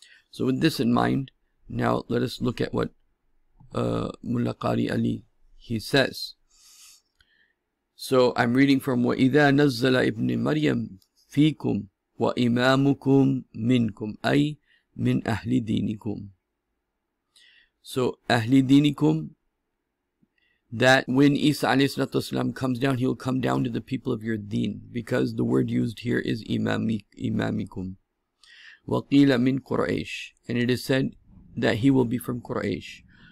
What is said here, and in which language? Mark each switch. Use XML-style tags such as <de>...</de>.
<en>So with this in mind, now let us look at what Mulla Qari Ali, he says. So I'm reading from</en> <ar>وَإِذَا نَزَّلَ إِبْنِ مَرْيَمْ فِيكُمْ وَإِمَامُكُمْ مِنْكُمْ أَيْ مِنْ أَهْلِ دِينِكُمْ.</ar> <en>So</en> <ar>أَهْلِ دِينِكُمْ,</ar> <en>that when Isa alayhi salatu wasalam comes down, he will come down to the people of your deen, because the word used here is imamikum.</en> <ar>وَقِيلَ مِنْ قُرَيْشِ,</ar> <en>and it is said that he will be from Quraysh.</en>